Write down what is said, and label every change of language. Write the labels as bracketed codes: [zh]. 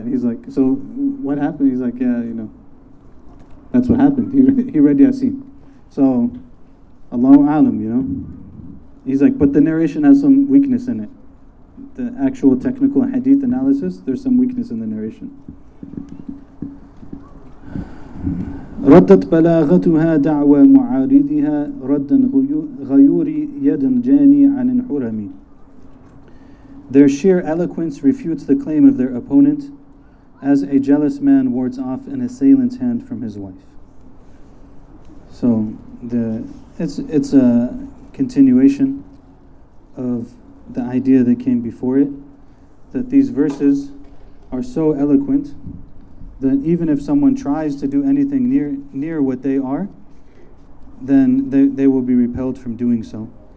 [en] And he's like, so what happened? He's like, yeah, you know, that's what happened. He read Yasin. So, Allahu alam, you know. He's like, but the narration has some weakness in it. The actual technical hadith analysis, there's some weakness in the narration. [ar] ردت بلاغتها دعوى معارضها ردا غيوري يدا جاني عن الحرمي. [en] Their sheer eloquence refutes the claim of their opponent, as a jealous man wards off an assailant's hand from his wife. So it's a continuation of the idea that came before it, that these verses are so eloquent that even if someone tries to do anything near what they are, then they will be repelled from doing so.